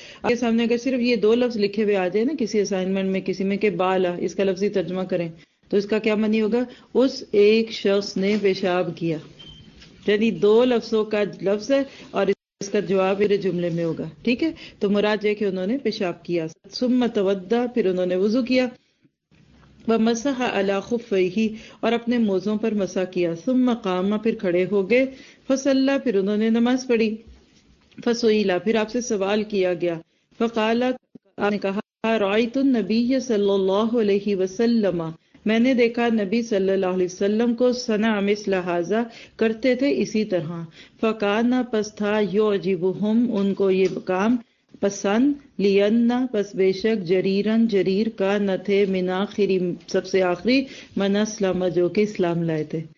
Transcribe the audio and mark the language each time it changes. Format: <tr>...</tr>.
<ur>آپ کے سامنے اگر صرف یہ دو لفظ لکھے ہوئے آ جائے نا کسی اسائنمنٹ میں کسی میں کہ بالا, اس کا لفظی ترجمہ کریں تو اس کا کیا معنی ہوگا؟ اس ایک شخص نے پیشاب کیا, یعنی دو لفظوں کا لفظ ہے اور اس کا جواب میرے جملے میں ہوگا, ٹھیک ہے. تو مراد یہ کہ انہوں نے پیشاب کیا.</ur> <ar>ثم تودع,</ar> <ur>پھر انہوں نے وضو کیا,</ur> <ar>ومسح علی خفیہ,</ar> <ur>اور اپنے موزوں پر مسح کیا.</ur> <ar>ثم قام,</ar> <ur>پھر کھڑے ہو گئے. فصلی, پھر انہوں نے نماز پڑھی. فسئل, پھر آپ سے سوال کیا گیا. فقال, آپ نے کہا,</ur> <ar>رأیت النبی صلی اللہ علیہ وسلم,</ar> <ur>میں نے دیکھا نبی صلی اللہ علیہ وسلم کو,</ur> <ar>صنع مثل ھذا,</ar> <ur>کرتے تھے اسی طرح. فکان, پس تھا, یعجبہم, ان کو یہ کام پسند, لینا, پس بے شک, جریرن, جریر کا, نہ تھے, من آخری, سب سے آخری,</ur> <ar>من اسلم,</ar> <ur>جو کہ اسلام لائے تھے.</ur>